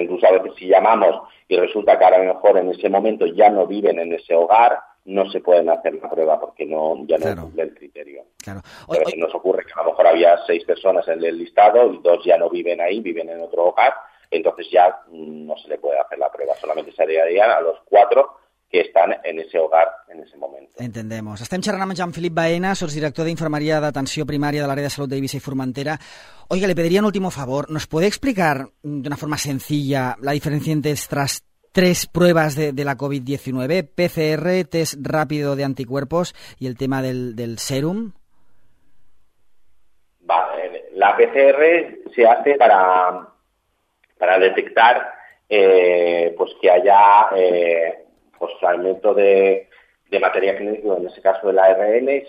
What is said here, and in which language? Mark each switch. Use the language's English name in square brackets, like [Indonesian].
[Spanish] Incluso a veces si llamamos y resulta que a lo mejor en ese momento ya no viven en ese hogar, no se pueden hacer la prueba porque no, ya no cumple el criterio. Claro. Pero nos ocurre que a lo mejor había 6 personas en el listado y 2 ya no viven ahí, viven en otro hogar, entonces ya no se le puede hacer la prueba, solamente se haría a los 4 que están en ese hogar en ese momento. Entendemos. [Catalan] Estem xerrant amb Jean-Philip Baena, sos director d'Infermeria d'Atenció Primària de l'Àrea de Salut d'Eivissa i Formentera. [Spanish] Oiga, le pediría un último favor. ¿Nos puede explicar de una forma sencilla la diferencia entre estas 3 pruebas de la COVID-19, PCR, test rápido de anticuerpos y el tema del serum? Vale, la PCR se hace para detectar pues que haya fragmento de materia genética, en ese caso el ARN.